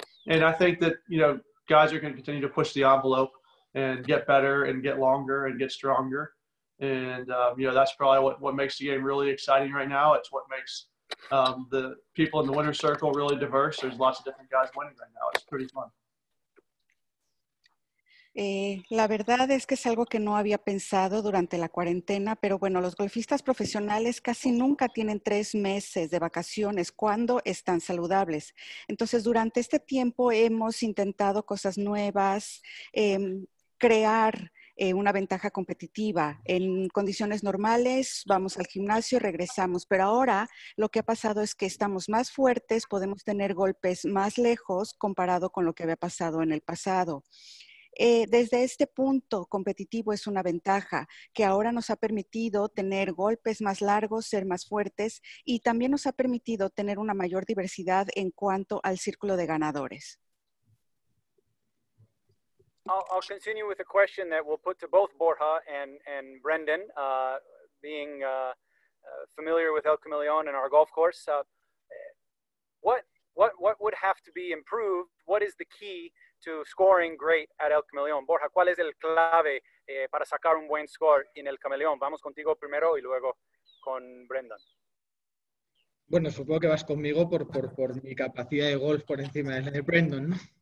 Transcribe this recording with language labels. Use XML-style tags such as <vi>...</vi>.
<en>And I think that, you know, guys are going to continue to push the envelope and get better and get longer and get stronger. And, that's probably what makes the game really exciting right now. It's what makes the people in the winner's circle really diverse. There's lots of different guys winning right now. It's pretty fun.</en> <es>La verdad es que es algo que no había pensado durante la cuarentena, pero bueno, los golfistas profesionales casi nunca tienen 3 meses de vacaciones cuando están saludables. Entonces, durante este tiempo hemos intentado cosas nuevas, crear una ventaja competitiva. En condiciones normales vamos al gimnasio, regresamos, pero ahora lo que ha pasado es que estamos más fuertes, podemos tener golpes más lejos comparado con lo que había pasado en el pasado. Desde este punto competitivo es una ventaja que ahora nos ha permitido tener golpes más largos, ser más fuertes y también nos ha permitido tener una mayor diversidad en cuanto al círculo de ganadores.</es> <en>I'll continue with a question that we'll put to both Borja and Brendan, being familiar with El Camaleón and our golf course. What would have to be improved? What is the key to scoring great at El Camaleón?</en> <es>Borja, ¿cuál es el clave para sacar un buen score en El Camaleón? Vamos contigo primero y luego con Brendan. Bueno, supongo que vas conmigo por mi capacidad de golf por encima de la de Brendan, ¿no?</es>